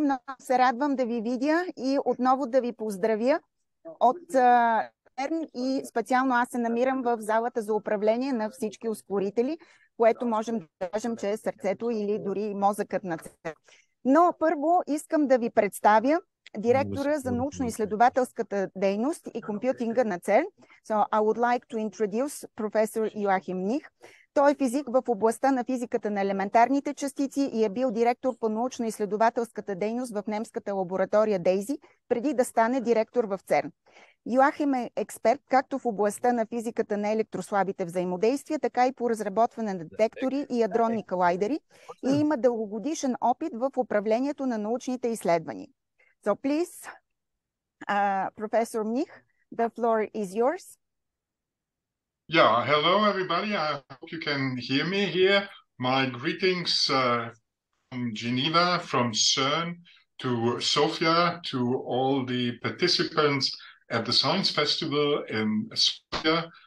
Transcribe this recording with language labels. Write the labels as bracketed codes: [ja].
[bg] Много се радвам да ви видя и отново да ви поздравя от ЦЕРН и специално аз се намирам в залата за управление на всички ускорители, което можем да кажем, че е сърцето или дори мозъкът на ЦЕРН. Но първо искам да ви представя директора за научно-изследователската дейност и компютинга на ЦЕРН. [en] So I would like to introduce Professor Joachim Nich. [bg] Той е физик в областта на физиката на елементарните частици и е бил директор по научно-изследователската дейност в немската лаборатория DAISY, преди да стане директор в ЦЕРН. Йоахим е експерт както в областта на физиката на електрослабите взаимодействия, така и по разработване на детектори и ядронни колайдери и има дългогодишен опит в управлението на научните изследвания. [en] So please, Professor Mnich, the floor is yours. Yeah, hello everybody. I hope you can hear me here. My greetings from Geneva, from CERN, to Sofia, to all the participants at the Science Festival in Sofia.